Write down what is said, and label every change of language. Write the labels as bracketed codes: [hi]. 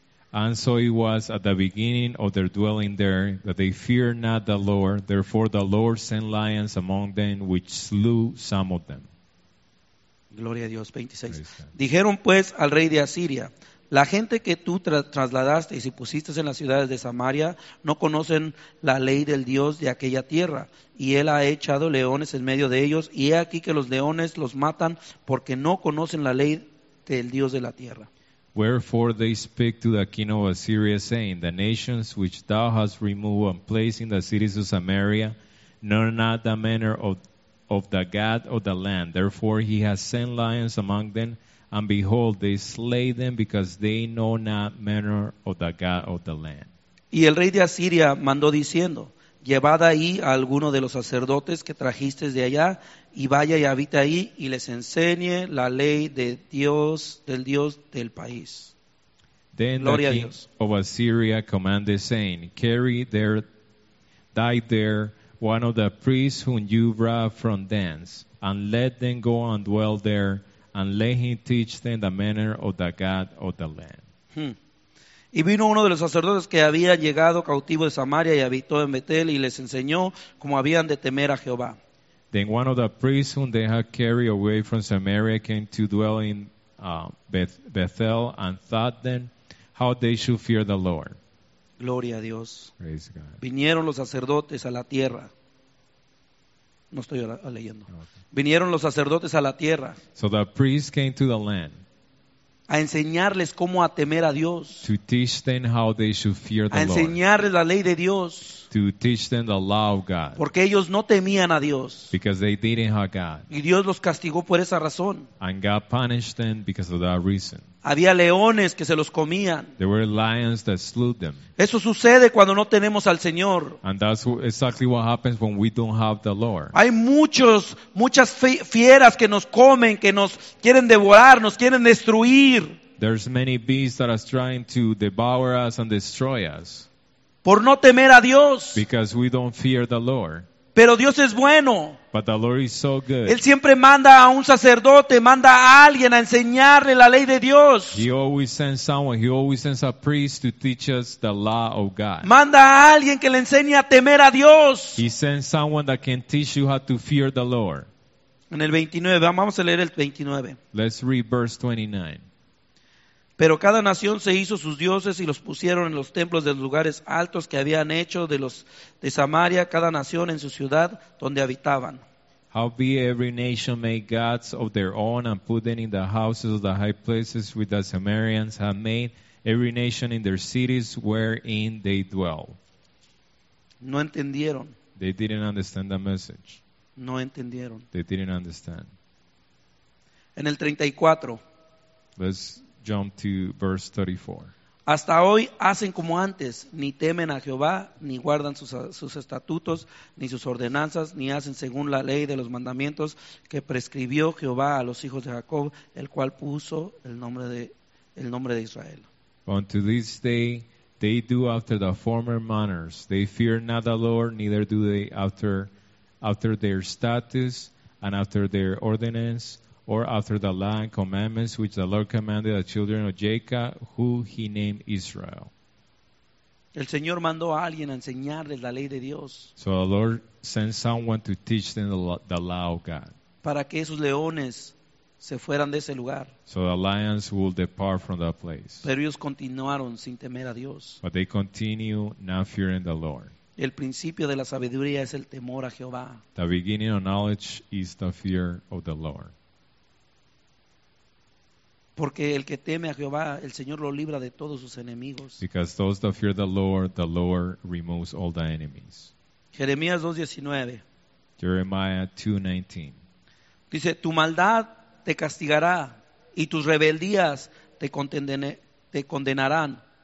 [en] And so it was at the beginning of their dwelling there that they feared not the Lord. Therefore the Lord sent lions among them, which slew some of them. [es] Gloria a Dios, 26. Dijeron pues al rey de Asiria, la gente que tú trasladaste y si pusiste en las ciudades de Samaria no conocen la ley del Dios de aquella tierra. Y él ha echado leones en medio de ellos, y he aquí que los leones los matan porque no conocen la ley del Dios de la tierra. [en] Wherefore they speak to the king of Assyria, saying, the nations which thou hast removed and placed in the cities of Samaria know not the manner of the God of the land. Therefore he has sent lions among them, and behold, they slay them because they know not manner of the God of the land. [es] Y el rey de Asiria mandó diciendo, llevad ahí a alguno de los sacerdotes que trajiste de allá, y vaya y habite ahí, y les enseñe la ley de Dios, del Dios del país. [en] Then Gloria the king of Assyria commanded, saying, carry there, die there, one of the priests whom you brought from thence, and let them go and dwell there, and let him teach them the manner of the God of the land. [es] Y vino uno de los sacerdotes que había llegado cautivo de Samaria y habitó en Betel, y les enseñó cómo habían de temer a Jehová. [en] Then one of the priests whom they had carried away from Samaria came to dwell in Bethel and taught them how they should fear the Lord. [es] Gloria a Dios. [en] Praise God. [es] Vinieron los sacerdotes a la tierra. No estoy leyendo. Okay. Vinieron los sacerdotes a la tierra. [en] So the priests came to the land. [es] A enseñarles cómo a temer a Dios. [en] To teach them how they should fear the Lord. [es] A enseñarles [en] Lord. [es] La ley de Dios. [en] To teach them the law of God. [es] Porque ellos no temían a Dios. [en] Because they didn't have God. [es] Y Dios los castigó por esa razón. [en] And God punished them because of that reason. [es] Había leones que se los comían. [en] There were lions that slew them. [es] Eso sucede cuando no tenemos al Señor. [en] And that's exactly what happens when we don't have the Lord. [es] Hay muchas fieras que nos comen, que nos quieren devorar, nos quieren destruir. [en] There's many beasts that are trying to devour us and destroy us. [es] Por no temer a Dios. [en] Because we don't fear the Lord. [es] Pero Dios es bueno. [en] But the Lord is so good. [es] Él siempre manda a un sacerdote, manda a alguien a enseñarle la ley de Dios. [en] He always sends someone, he always sends a priest to teach us the law of God. [es] Manda a alguien que le enseñe a temer a Dios. [en] He sends someone that can teach you how to fear the Lord. [es] En el 29, vamos a leer el 29. [en] Let's read verse 29. [es] Pero cada nación se hizo sus dioses y los pusieron en los templos de los lugares altos que habían hecho de los de Samaria, cada nación en su ciudad donde habitaban. [en] Howbeit every nation made gods of their own and put them in the houses of the high places which the Samaritans had made, every nation in their cities wherein they dwell. [es] No entendieron. [en] They didn't understand the message. [es] No entendieron. [en] They didn't understand. [es] En el 34. [en] Let's jump to verse 34. [es] Hasta hoy hacen como antes, ni temen a Jehová, ni guardan sus estatutos, ni sus ordenanzas, ni hacen según la ley de los mandamientos que prescribió Jehová a los hijos de Jacob, el cual puso el nombre de Israel. [en] Unto this day they do after the former manners. They fear not the Lord, neither do they after their statutes and after their ordinance, or after the law and commandments which the Lord commanded the children of Jacob, who he named Israel. [es] El Señor mandó a alguien a enseñarles la ley de Dios. [en] So the Lord sent someone to teach them the law of God. [es] Para que esos leones se fueran de ese lugar. [en] So the lions will depart from that place. [es] Pero ellos continuaron sin temer a Dios. [en] But they continue not fearing the Lord. [es] El principio de la sabiduría es el temor a Jehová. [en] The beginning of knowledge is the fear of the Lord. [es] Porque el que teme a Jehová, el Señor lo libra de todos sus enemigos. [en] Because those that fear the Lord removes all the enemies. [es] Jeremías 2:19. [en] Jeremiah 2:19. [es] Dice, tu maldad te castigará y tus rebeldías te condenarán.